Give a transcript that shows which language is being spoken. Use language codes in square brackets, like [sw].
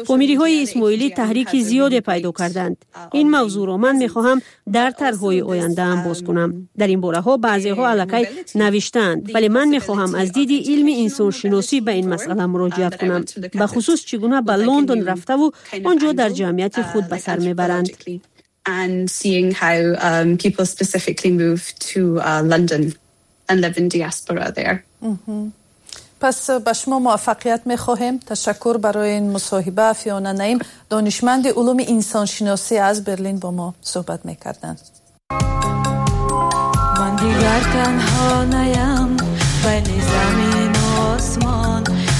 [fa] پامیری های اسماعیلی تحریک زیاد پیدا کردند. این موضوع را من می خواهم در طرح‌های آینده ام باز کنم. در این باره ها بعضی ها علکی نوشتند ولی من می خواهم از دید علم انسان شناسی به این مسئله مراجعت کنم، به خصوص چگونه به لندن رفته و آنجا در جمعیت خود به سر می برند. [en] And seeing how people specifically move to London and live in diaspora there. [fa] پس به شما موفقیت می خواهیم. تشکر برای این مصاحبه. فیونا نعیم دانشمند علوم انسان شناسی از برلین با ما صحبت می کردن. من دیگر تنها نیم بین زمین و آسمان،